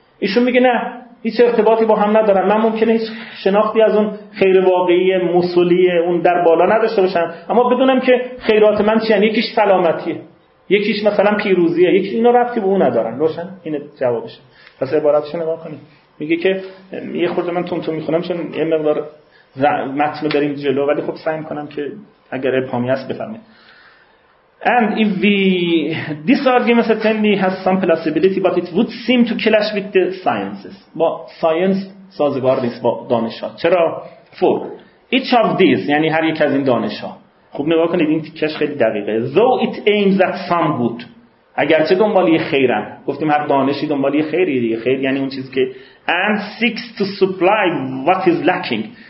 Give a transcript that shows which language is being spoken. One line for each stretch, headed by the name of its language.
Persian: ایشون میگه نه، هیچ ارتباطی با هم ندارن، من ممکنه هیچ شناختی از اون خیر واقعی مصولی اون در بالا نداشته باشم، اما بدونم که خیرات من چی، یعنی یکیش سلامتیه، یکیش مثلا پیروزیه، یکی اینا رفتی به اون ندارن. روشن این جوابشه. پس عبارتش رو نگاه کنید، میگه که یه خورده من تون تون میخونم چون یه مقدار متن رو داریم جلو، ولی خب سعی میکنم که اگر ابهامی هست بفرمایید.
English: And if we this argument certainly has some plausibility but it would seem to clash with the sciences.
Persian: با ساینس سازگار نیست، با دانش ها. چرا؟
English: For each of these،
Persian: یعنی هر یک از این دانش ها، خوب نگاه کنید این تیکش خیلی دقیقه،
English: though it aims at some good،
Persian: اگرچه دنبال یه خیرن، گفتیم هر دانشی دنبال یه خیریه دیگه، خیر یعنی اون چیزی که،
English: and seeks to supply what is lacking،